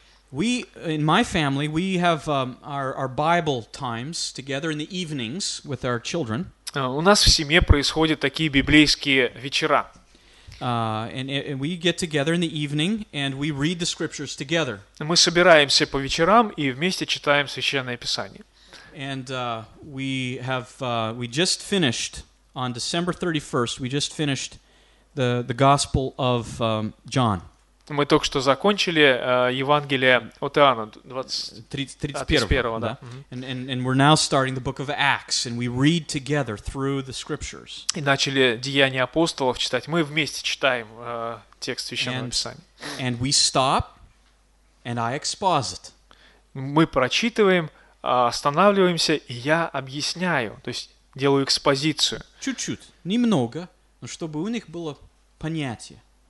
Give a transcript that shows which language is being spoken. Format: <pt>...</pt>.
<en>We in my family we have our Bible times together in the evenings with our children.</en> <ru>У нас в семье происходят такие библейские вечера.</ru> <en>And we get together in the evening and we read the scriptures together.</en> <ru>Мы собираемся по вечерам и вместе читаем Священное Писание.</ru> <en>And we just finished on December 31st. We just finished the Gospel of John.</en> <ru>Мы только что закончили Евангелие от Иоанна 31-го, да.</ru> <en>And we're now starting the book of Acts, and we read together through the scriptures.</en> <ru>И начали Деяния апостолов читать. Мы вместе читаем текст Священного Писания.</ru> <en>And we stop, and I exposit.</en> <ru>Мы прочитываем, останавливаемся, и я объясняю, то есть делаю экспозицию. Чуть-чуть, немного, но чтобы у них было понятие.</ru>